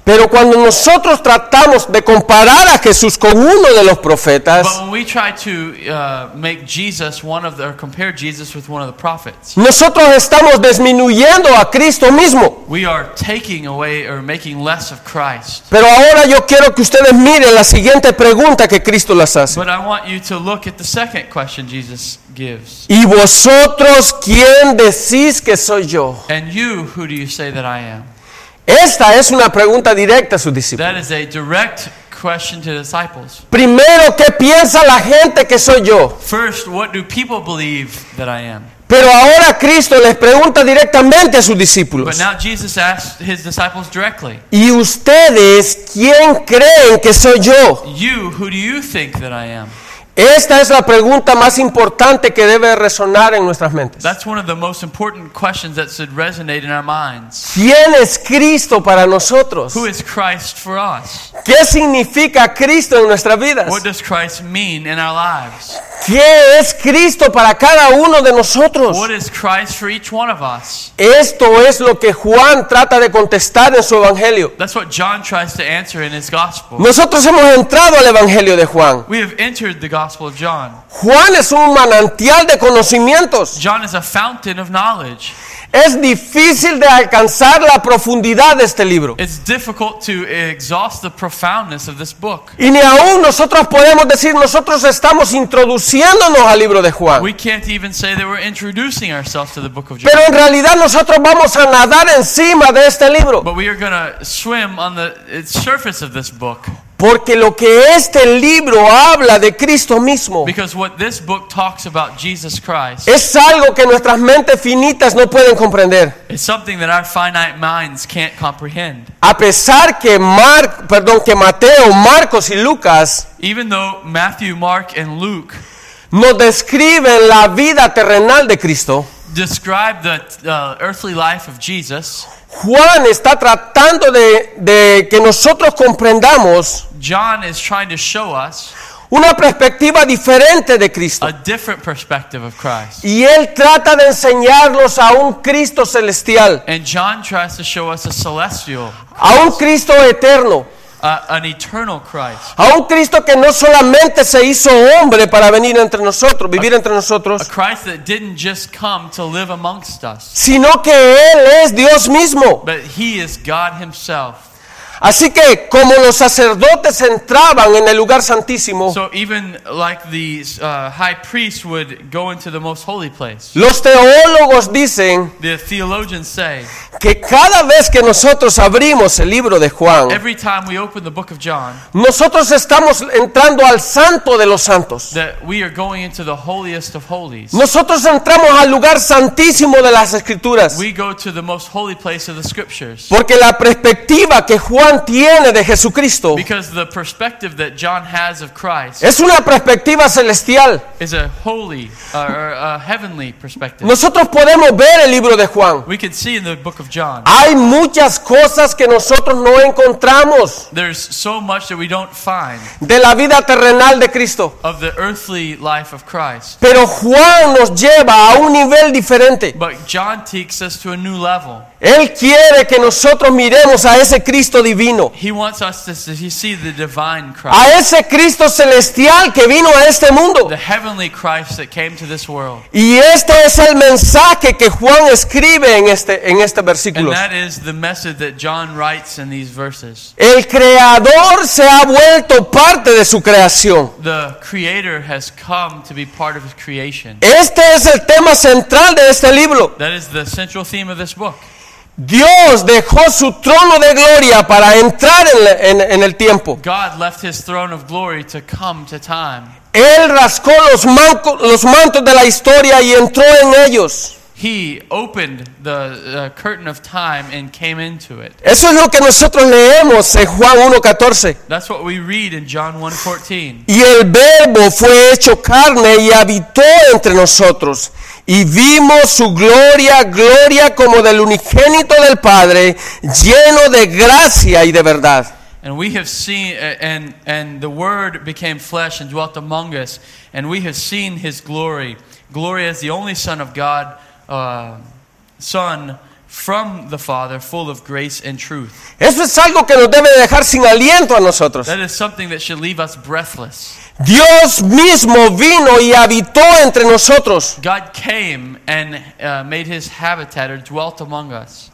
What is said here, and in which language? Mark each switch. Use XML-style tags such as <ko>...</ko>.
<es>Pero cuando nosotros tratamos de comparar a Jesús con uno de los profetas,</es> <en>but when we try to make Jesus one of the, or compare Jesus with one of the prophets,</en> <es>nosotros estamos disminuyendo a Cristo mismo.</es> <en>We are taking away or making less of Christ.</en> <es>Pero ahora yo quiero que ustedes miren la siguiente pregunta que Cristo les hace.</es> <en>But I want you to look at the second question Jesus gives.</en> <es>¿Y vosotros quién decís que soy yo?</es> <en>And you, who do you say that I am?</en> <es>Esta es una pregunta directa a sus discípulos.</es> <en>That is a direct question to disciples.</en> <es>Primero, ¿qué piensa la gente que soy yo?</es> <en>First, what do people believe that I am?</en> <es>Pero ahora Cristo les pregunta directamente a sus discípulos.</es> <en>But now Jesus asks his disciples directly.</en> <es>¿Y ustedes quién creen que soy yo?</es> <en>You, who do you think that I am?</en> <es>Esta es la pregunta más importante que debe resonar en nuestras mentes.</es> <en>That's one of the most important questions that should resonate in our minds.</en> <es>¿Quién es Cristo para nosotros?</es> <en>Who is Christ for us?</en> <es>¿Qué significa Cristo en nuestras vidas?</es> <en>What does Christ mean in our lives?</en> <es>¿Qué es Cristo para cada uno de nosotros?</es> <en>What is Christ for each one of us?</en> <es>Esto es lo que Juan trata de contestar en su evangelio.</es> <en>That's what John tries to answer in his gospel.</en> <es>Nosotros hemos entrado al evangelio de Juan.</es> <en>We have entered the gospel of John.</en> <es>Juan es un manantial de conocimientos.</es> <en>John is a fountain of knowledge.</en> <es>Es difícil de alcanzar la profundidad de este libro.</es> <en>It's difficult to exhaust the profoundness of this book.</en> <es>Y ni aún nosotros podemos decir nosotros estamos introduciéndonos al libro de Juan.</es> <en>We can't even say that we're introducing ourselves to the book of John.</en> <es>Pero en realidad nosotros vamos a nadar encima de este libro.</es> <en>But we are going to swim on the surface of this book.</en> <es>Porque lo que este libro habla de Cristo mismo,</es> <en>because what this book talks about Jesus Christ,</en> <es>es algo que nuestras mentes finitas no pueden comprender.</es> <en>It's something that our finite minds can't comprehend.</en> <es>A pesar que Mateo, Marcos y Lucas,</es> <en>even though Matthew, Mark and Luke,</en> <es>nos describen la vida terrenal de Cristo,</es> <en>describe the earthly life of Jesus,</en> <es>Juan está tratando de que nosotros comprendamos,</es> <en>John is trying to show us,</en> <es>una perspectiva diferente de Cristo.</es> <en>A different perspective of Christ.</en> <es>Y él trata de enseñarnos a un Cristo celestial.</es> <en>And John tries to show us a celestial Christ.</en> <es>A un Cristo eterno.</es> <en>An eternal Christ.</en> <es>A un Cristo que no solamente se hizo hombre para venir entre nosotros, vivir entre nosotros,</es> <en>a Christ that didn't just come to live amongst us,</en> <es>sino que Él es Dios mismo.</es> <en>But He is God Himself.</en> <es>Así que, como los sacerdotes entraban en el lugar santísimo,</es> <en>so even like the high priest would go into the most holy place,</en> <es>los teólogos dicen,</es> <en>the theologians say,</en> <es>que cada vez que nosotros abrimos el libro de Juan,</es> <en>every time we open the book of John,</en> <es>nosotros estamos entrando al santo de los santos,</es> <en>that we are going into the holiest of holies.</en> <es>Nosotros entramos al lugar santísimo de las escrituras,</es> <en>we go to the most holy place of the scriptures.</en> <es>Porque la perspectiva que Juan tiene de Jesucristo,</es> <en>because the perspective that John has of Christ,</en> <es>es una perspectiva celestial,</es> <en>is a holy or a heavenly perspective.</en> <es>Nosotros podemos ver el libro de Juan,</es> <en>we can see in the book of John,</en> <es>hay muchas cosas que nosotros no encontramos,</es> <en>there's so much that we don't find,</en> <es>de la vida terrenal de Cristo,</es> <en>of the earthly life of Christ.</en> <es>Pero Juan nos lleva a un nivel diferente,</es> <en>but John takes us to a new level.</en> <es>Él quiere que nosotros miremos a ese Cristo divino.</es> <en>He wants us to see the divine Christ.</en> <es>A ese Cristo celestial que vino a este mundo.</es> <en>The heavenly Christ that came to this world.</en> <es>Y este es el mensaje que Juan escribe en este versículo.</es> <en>And that is the message that John writes in these verses.</en> <es>El Creador se ha vuelto parte de su creación.</es> <en>The Creator has come to be part of His creation.</en> <es>Este es el tema central de este libro.</es> <en>That is the central theme of this book.</en> <es>Dios dejó su trono de gloria para entrar en el tiempo.</es> <en>God left His throne of glory to come to time.</en> <es>Él rascó los mantos de la historia y entró en ellos.</es> <en>He opened the curtain of time and came into it.</en> <es>Eso es lo que nosotros leemos en Juan 1:14.</es> <en>That's what we read in John 1:14.</en> <es>Y el Verbo fue hecho carne y habitó entre nosotros. Y vimos su gloria, gloria como del unigénito del Padre, lleno de gracia y de verdad.</es> <en>And we have seen, and the Word became flesh and dwelt among us, and we have seen His glory. Glory as the only Son of God, Son from the Father, full of grace and truth.</en> <es>Eso es algo que nos debe dejar sin aliento a nosotros.</es> <en>That is something that should leave us breathless.</en> <es>Dios mismo vino y habitó entre nosotros.</es> <en>God came and made His habitat or dwelt among us.</en>